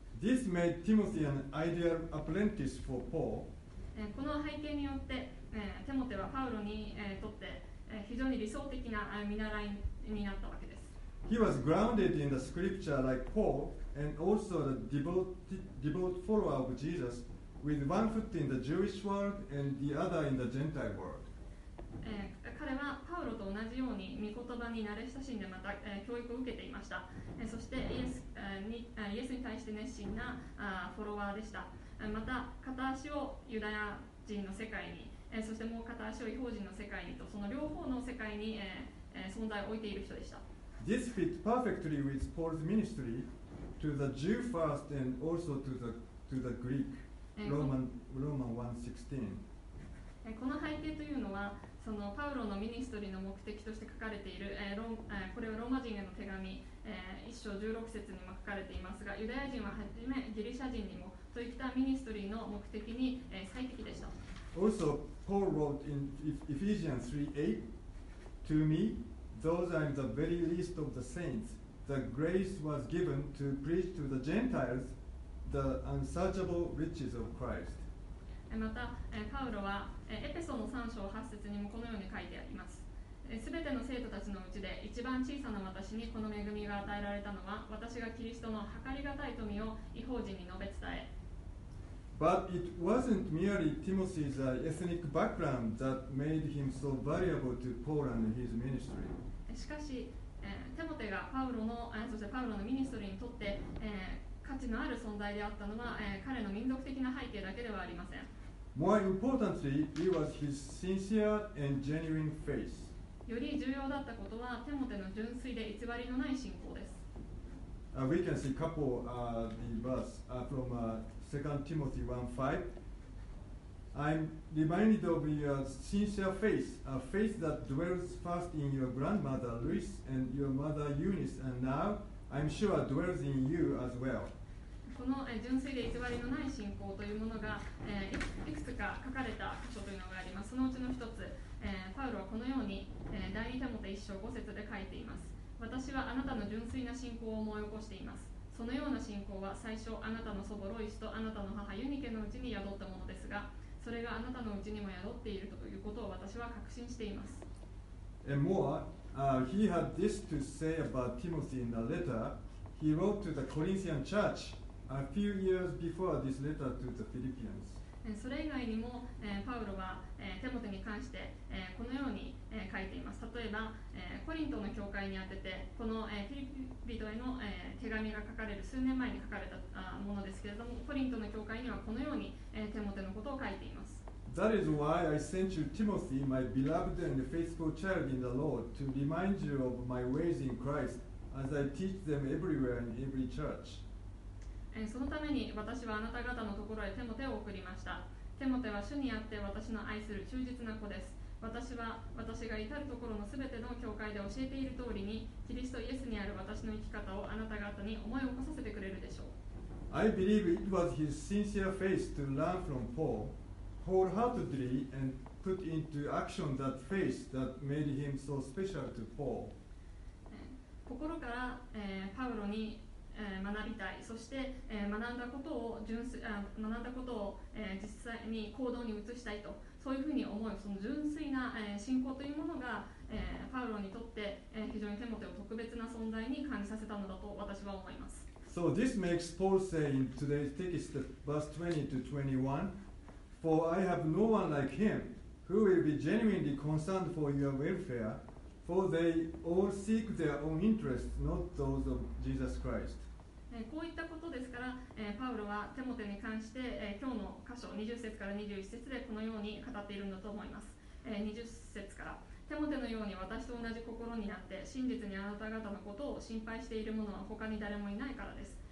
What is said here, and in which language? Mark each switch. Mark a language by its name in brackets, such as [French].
[English] This made Timothy an ideal apprentice for Paul. [Japanese] この背景によって、Timothy はパウロにとって非常に理想的な見習いになったわけです。 [English] He was grounded in the scripture like Paul. And also the devout follower of Jesus, with one foot in the Jewish world and the other in the Gentile world. [Japanese] 彼はパウロと同じように御言葉に慣れ親しんでまた教育を受けていました。そしてイエスに対して熱心なフォロワーでした。また片足をユダヤ人の世界に、そしてもう片足を異邦人の世界にと、その両方の世界に存在を置いている人でした。 [English] This fit perfectly with Paul's ministry. To the Jew first and also to the Greek, Roman 1:16. [Japanese] この背景というのは、そのパウロのミニストリーの目的として書かれている、これはローマ人への手紙、1章16節にも書かれていますが、ユダヤ人ははじめギリシャ人にも、といったミニストリーの目的に、最適でした。 [English] Also, Paul wrote in Ephesians 3:8, To me, those are the very least of the saints. The grace was given to preach to the Gentiles the unsearchable riches of Christ. [Japanese] また、パウロはエペソの3章8節にもこのように書いてあります。すべての生徒たちのうちで一番小さな私にこの恵みが与えられたのは、私がキリストの計り難い富を異邦人に述べ伝え。 [English] But it wasn't merely Timothy's ethnic background that made him so valuable to Paul and his ministry. [Japanese] しかし、テモテがパウロの、そしてパウロのミニストリーにとって、価値のある存在であったのは、彼の民族的な背景だけではありません。 [English] More importantly, it was his sincere and genuine faith. [Japanese] より重要だったことは、テモテの純粋で偽りのない信仰です。 [English] We can see a couple of the verse from 2 Timothy 1:5. I'm reminded of your sincere faith, a faith that dwells first in your grandmother Luis and your mother Eunice, and now I'm sure dwells in you as well. [Japanese] この純粋で偽りのない信仰というものが、いくつか書かれた箇所というのがあります。そのうちの一つ、パウロはこのように、第2テモテ1章5節で書いています。私はあなたの純粋な信仰を思い起こしています。そのような信仰は最初あなたの祖母ロイスとあなたの母ユニケのうちに宿ったものですが、それがあなたのうちにも宿っているということを私は確信しています。 [English] And more, he had this to say about Timothy in a letter he wrote to the Corinthian church a few years before this letter to the Philippians. [Japanese] それ以外にも、パウロは、テモテに関して、このように、書いています。例えば、コリントの教会にあててこの、フィリピ人への、手紙が書かれる数年前に書かれたものですけれども、コリントの教会にはこのように、テモテのことを書いています。 [English] That is why I sent you Timothy, my beloved and faithful child in the Lord, to remind you of my ways in Christ as I teach them everywhere in every church. [Japanese] そのために私はあなた方のところへテモテを送りました。テモテは主にあって私の愛する忠実な子です。私は私が至るところのすべての教会で教えている通りに、キリストイエスにある私の生き方をあなた方に思い起こさせてくれるでしょう。 [English] I believe it was his sincere faith to learn from Paul wholeheartedly and put into action that faith that made him so special to Paul. [Japanese] 心から、パウロに、学びたい、そして、学んだことを純粋、学んだことを、実際に行動に移したいと、そういうふうに思う、その純粋な、信仰というものが、パウロにとって、非常にテモテを特別な存在に感じさせたのだと私は思います。 [English] So this makes Paul say in today's text, verse 20 to 21, For I have no one like him who will be genuinely concerned for your welfare, for they all seek their own interests, not those of Jesus Christ. [Japanese] こういったことですから、パウロはテモテに関して、今日の箇所20節から21節でこのように語っているんだと思います。 20節から。テモテのように私と同じ心になって真実にあなた方のことを心配している者は他に誰もいないからです。